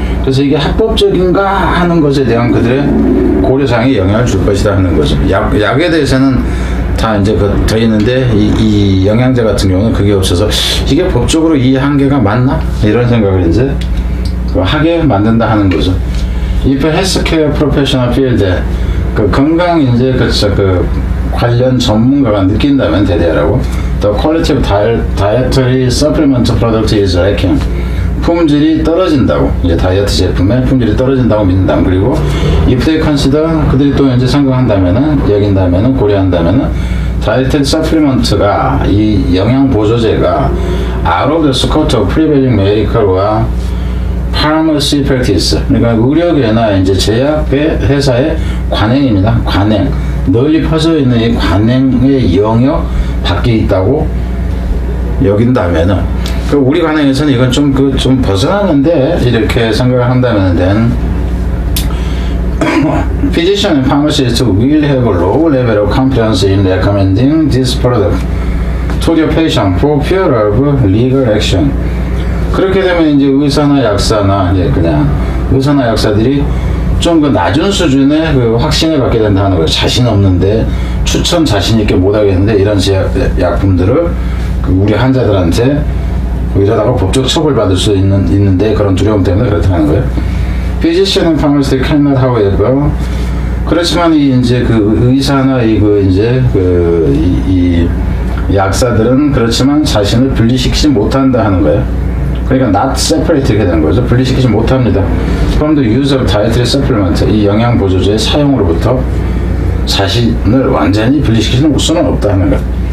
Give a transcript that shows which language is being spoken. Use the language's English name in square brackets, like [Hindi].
[Korean] 그래서 이게 합법적인가 하는 것에 대한 그들의 고려사항이 영향을 줄 것이다 하는 거죠. 약에 대해서는 다 이제 그 돼 있는데 이 영양제 같은 경우는 그게 없어서 이게 법적으로 이 한계가 맞나? 이런 생각을 이제 하게 만든다 하는 거죠. [English] If a healthcare professional feels that [Korean] 그 건강 이제 그 관련 전문가가 느낀다면 대대하라고 [English] The quality of dietary supplement product is lacking. [Korean] 품질이 떨어진다고, 이제 다이어트 제품의 품질이 떨어진다고 믿는다. 그리고 [English] if they consider, [Korean] 그들이 또 이제 생각한다면은, 여긴다면은, 고려한다면은 [English] dietary supplement [Korean] 가, 이 영양보조제가 [English] out of the scope of prevailing medical [Korean] 과 [English] pharmacy practice, [Korean] 그러니까 의료계나 이제 제약회사의 관행입니다. 관행. 널리 퍼져 있는 이 관행의 영역 밖에 있다고 여긴다면은, 그 우리 관행에서는 이건 좀 그 좀 벗어났는데 이렇게 생각을 한다면은 [English] Physician and pharmacist will have a low level of confidence in recommending this product to your patient for fear of legal action. [Korean] 그렇게 되면 이제 의사나 약사나 이제 그냥 의사나 약사들이 좀 그 낮은 수준의 그 확신을 갖게 된다는 거예요. 자신 없는데 추천 자신 있게 못 하겠는데 이런 약품들을 그 우리 환자들한테 의사다가 법적 처벌받을 수 있는데 그런 두려움 때문에 그렇다는 거예요. [English] Physician and pharmacist cannot, however. [Korean] 그렇지만 이 이제 그 의사나 이 그 이제 그 이 약사들은 그렇지만 자신을 분리시키지 못한다 하는 거예요. 그러니까 [English] not separate [Korean] 이렇게 되는 거죠. 분리시키지 못합니다. [English] From the use of dietary supplement, [Korean] 이 영양 보조제의 사용으로부터 자신을 완전히 분리시키는 수는 없다 하는 거예요.